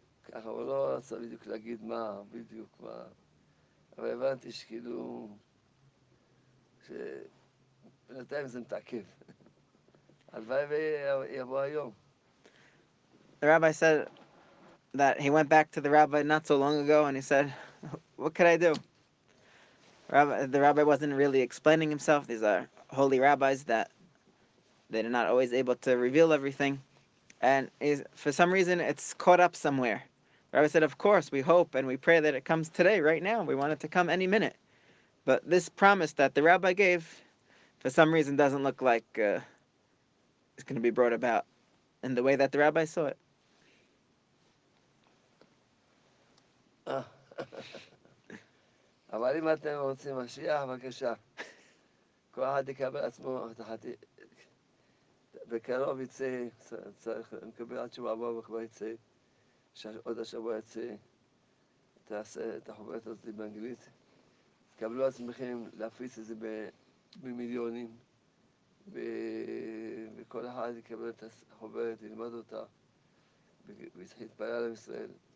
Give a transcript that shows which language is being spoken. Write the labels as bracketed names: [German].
[Hebrew] ככה, הוא לא רצה בדיוק להגיד מה, בדיוק מה. אבל הבנתי שכאילו, שבינתיים זה מתעכב. הלוואי ויבוא היום. [English] The rabbi said that he went back to the rabbi not so long ago, and he said, what could I do? The rabbi wasn't really explaining himself. These are holy rabbis that they're not always able to reveal everything. And for some reason, it's caught up somewhere. Rabbi said, of course, we hope and we pray that it comes today, right now. We want it to come any minute. But this promise that the rabbi gave, for some reason, doesn't look like it's going to be brought about in the way that the rabbi saw it. But if you want Mashiach, please. Everyone will receive himself. In the end, he will receive the answer and he will receive. [Hebrew] שעוד השבוע יצא, תעשה את החוברת הזאת באנגלית. תקבלו עצמכם להפיץ את זה במיליונים, וכל אחד יקבל את החוברת, ילמד אותה, ויצחי להתפלל על ישראל.